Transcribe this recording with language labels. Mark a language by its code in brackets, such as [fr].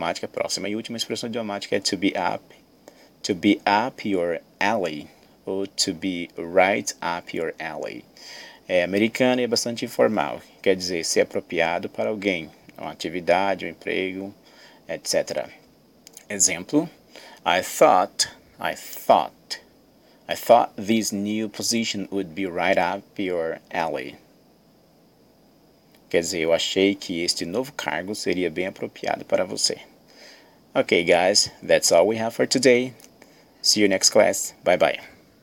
[pt] Próxima e última expressão idiomática é to be up your alley ou to be right up your alley. É americano e é bastante informal, quer dizer, ser apropriado para alguém, uma atividade, um emprego, etc. Exemplo, [en] I thought this new position would be right up your alley. [pt] Quer dizer, eu achei que este novo cargo seria bem apropriado para você. [en] Okay, guys, that's all we have for today. See you next class. Bye-bye.